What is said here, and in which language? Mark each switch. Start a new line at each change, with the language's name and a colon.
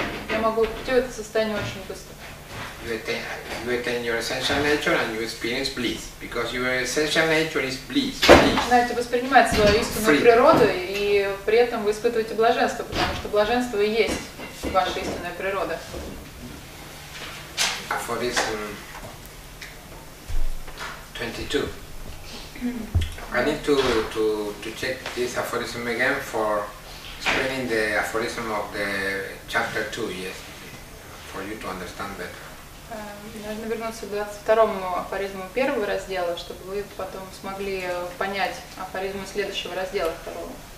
Russian: Я могу прийти в это состояние очень быстро.
English: You attain your essential nature and you experience bliss, because your essential nature is bliss.
Russian: Знаете, воспринимать свою истинную природу, и при этом вы испытываете блаженство, потому что блаженство и есть ваша истинная природа.
English: For this 22, I need to check this aphorism again for. Explaining the aphorism of the chapter 2, yes, for you to understand better.
Russian: Нужно вернуться к 22-му афоризму первого раздела, чтобы вы потом смогли понять афоризм следующего раздела второго.